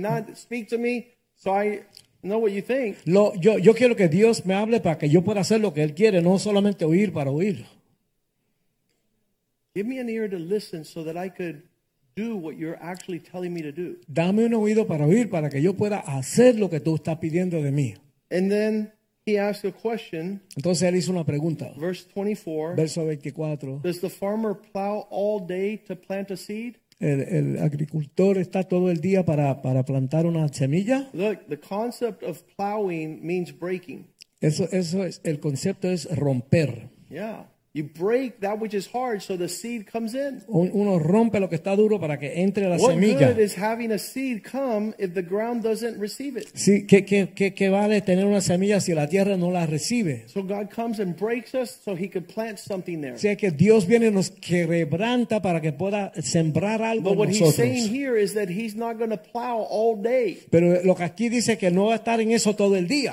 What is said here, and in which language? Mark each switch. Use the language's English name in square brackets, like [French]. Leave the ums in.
[English] Not speak to me so I know what you think. [Spanish] Lo, yo, yo quiero que Dios me hable para que yo pueda hacer lo que Él quiere, no solamente oír para oír. [English] Give me an ear to listen so that I could do what you're actually telling me to do. [Spanish] Dame un oído para oír para que yo pueda hacer lo que tú estás pidiendo de mí. [English] And then... He asked a question. [Spanish] Entonces él hizo una pregunta. [English] Verse 24. [Spanish] Verso 24. [English] Does the farmer plow all day to plant a seed? [Spanish] El, el agricultor está todo el día para, para plantar una semilla. [English] Look, the concept of plowing means breaking. [Spanish] Eso, eso es, el concepto es romper. [English] Yeah. You break that which is hard so the seed comes in. [Spanish] Uno rompe lo que está duro para que entre la [English] what [Spanish] semilla. [English] What good is having a seed come if the ground doesn't receive it? [Spanish] Sí, si, ¿qué, qué, qué, qué vale tener una semilla si la tierra no la recibe? [English] So God comes and breaks us so he could plant something there. [Spanish] Sí, si es que Dios viene y nos quebranta para que pueda sembrar algo en nosotros. [English] But what he's saying here is that he's not going to plow all day. [Spanish] Pero lo que aquí dice que no va a estar en eso todo el día.